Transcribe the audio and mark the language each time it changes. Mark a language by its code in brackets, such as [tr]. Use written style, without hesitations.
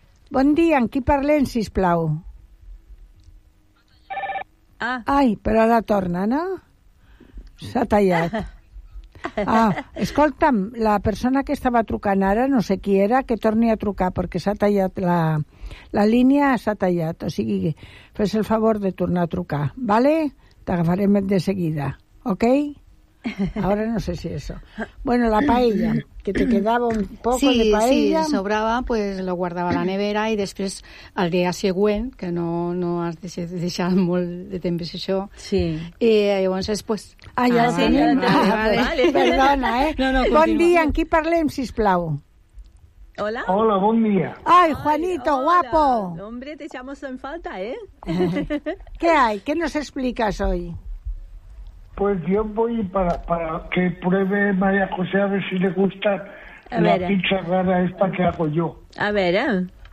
[ca] Bon dia, amb qui parlem, sisplau? Ah. Ai, però ara torna, no? S'ha tallat. Ah, escolta'm, la persona que estava trucant ara, no sé qui era, que torni a trucar, perquè s'ha tallat la línia, s'ha tallat. O sigui, fes el favor de tornar a trucar, ¿vale? T'agafarem de seguida, [es] ¿ok? Ahora no sé si eso. Bueno, la paella, que te quedaba un poco, sí, de paella. Sí, sobraba, pues lo guardaba a la nevera y después al día [ca] següent, que no has deixat molt de temps això. [es] Sí. Y entonces, pues... Ah, ya sí, no, vale. Perdona, ¿eh? No, [ca] bon dia, amb qui parlem, sisplau? Hola. Hola, bon dia. [es] Ay, Juanito, hola. Guapo. Hombre, te echamos en falta, ¿eh? ¿Qué hay? ¿Qué nos explicas hoy? Pues yo voy para que pruebe María José a ver si le gusta la pizza rara esta que hago yo. A ver, ¿eh?